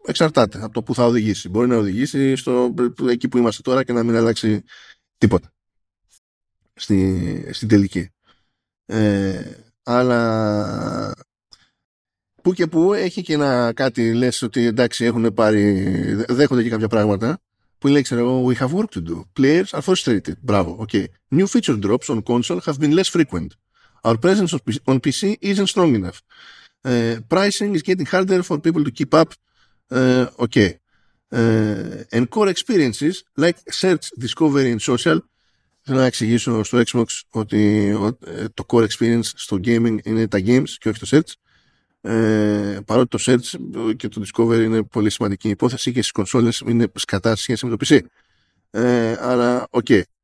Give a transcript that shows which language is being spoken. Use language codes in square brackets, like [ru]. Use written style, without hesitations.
[el] Εξαρτάται από το που θα οδηγήσει. Μπορεί να οδηγήσει στο εκεί που είμαστε τώρα και να μην αλλάξει τίποτα στην τελική. Αλλά... Πού και πού έχει και ένα κάτι, λες ότι εντάξει, έχουν πάρει, δέχονται και κάποια πράγματα, που λέει, ξέρω εγώ, [en] we have work to do. Players are frustrated. Μπράβο, okay. New feature drops on console have been less frequent. Our presence on PC isn't strong enough. Pricing is getting harder for people to keep up. Okay. And core experiences like search, discovery and social. [el] Θέλω να εξηγήσω στο Xbox ότι το core experience στο gaming είναι τα games και όχι το search. Παρότι το search και το discovery είναι πολύ σημαντική υπόθεση και στις κονσόλες είναι σκατά σε σχέση με το PC. Αλλά, okay.